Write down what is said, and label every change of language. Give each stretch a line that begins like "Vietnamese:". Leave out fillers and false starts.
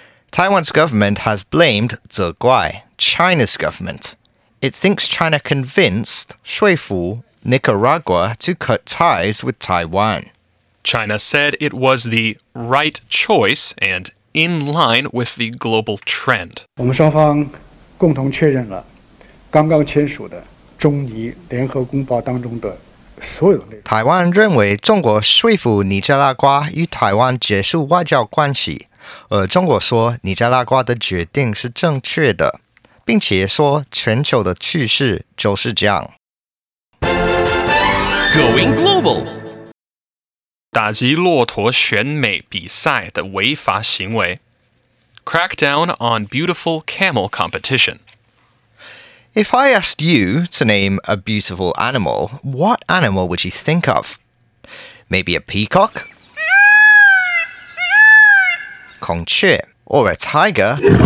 English: Taiwan's government has blamed 责怪, China's government. It thinks China convinced 说服 Nicaragua to cut ties with Taiwan. China said it was the right choice and in line with the global trend.
Chinese: 我们双方共同确认了刚刚签署的中尼联合公报当中的所有内容。台湾认为中国说服尼加拉瓜与台湾结束外交关系，而中国说尼加拉瓜的决定是正确的，并且说全球的趋势就是这样。
English: Going global.
Chinese: 打击骆驼选美比赛的违法行为。
English: Crackdown on Beautiful Camel Competition. If I asked you to name a beautiful animal, what animal would you think of? Maybe a peacock? 孔雀 or a tiger?